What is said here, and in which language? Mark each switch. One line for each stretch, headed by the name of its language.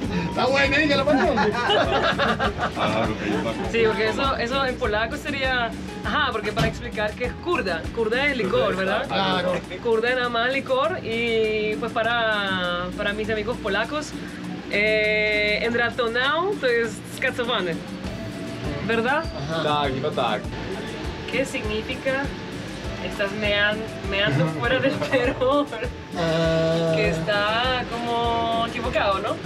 Spanish: Está buena, ya la pasó. Sí, porque eso en polaco sería. Ajá, porque para explicar que es kurda. Kurda es licor, ¿verdad? Claro. Kurda nada más licor. Y pues para mis amigos polacos.
Polish: En ratonado, to jest skacowany.
Spanish: ¿Verdad?
Polish: Tak, chyba tak.
Spanish: ¿Qué significa? Estás meando fuera del perro. Que está como equivocado, ¿no?